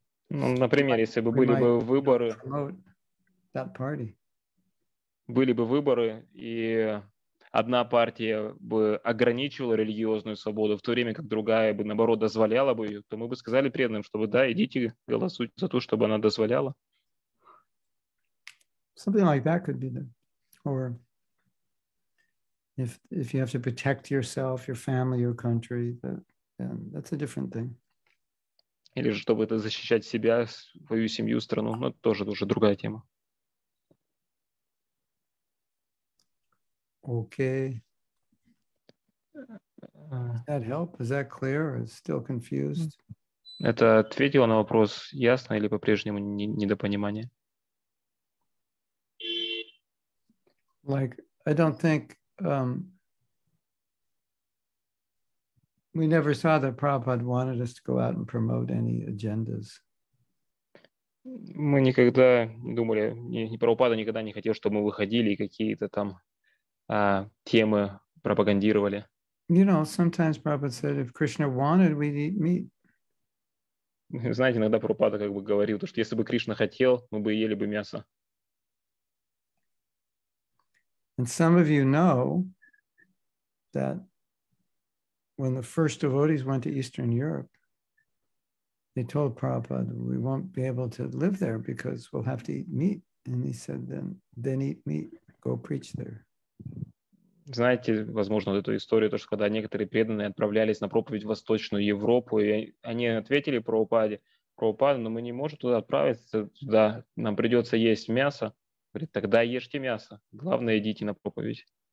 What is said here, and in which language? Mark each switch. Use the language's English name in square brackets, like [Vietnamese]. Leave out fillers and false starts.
[Russian] Ну, например, если бы были бы выборы, [English] that party. [Russian] Были бы выборы, и одна партия бы ограничивала религиозную свободу, в то время как другая бы, наоборот, дозволяла бы ее, то мы бы сказали преданным, чтобы да, идите, голосуйте за то, чтобы она дозволяла. [English] Something like that could be the... Or... If you have to protect yourself, your family, your country, that's a different thing. [Russian] Или чтобы это защищать себя, свою семью, страну, но тоже уже другая тема. [English] Okay. Does that help? Is that clear? Or is still confused? [Russian] Это ответило на вопрос, ясно или по-прежнему недопонимание? [English] Like, I don't think. We never saw that Prabhupada wanted us to go out and promote any agendas. [Russian] Мы никогда не думали, ни Прабхупада никогда не хотел, чтобы мы выходили и какие-то там темы пропагандировали. [English] You know, sometimes Prabhupada said, if Krishna wanted, we'd eat meat. [Russian] Знаете, иногда Прабхупада как бы говорил, что если бы Кришна хотел, мы бы ели бы мясо. [English] And some of you know that when the first devotees went to Eastern Europe, they told Prabhupada, we won't be able to live there because we'll have to eat meat. And he said, then eat meat, go preach there. [Russian] Знаете, возможно, вот эту историю, то, что когда некоторые преданные отправлялись на проповедь в Восточную Европу, и они ответили Прабхупаде, Прабхупада, но мы не можем туда отправиться, туда нам придется есть мясо. Говорит, тогда ешьте мясо. Главное, идите на проповедь.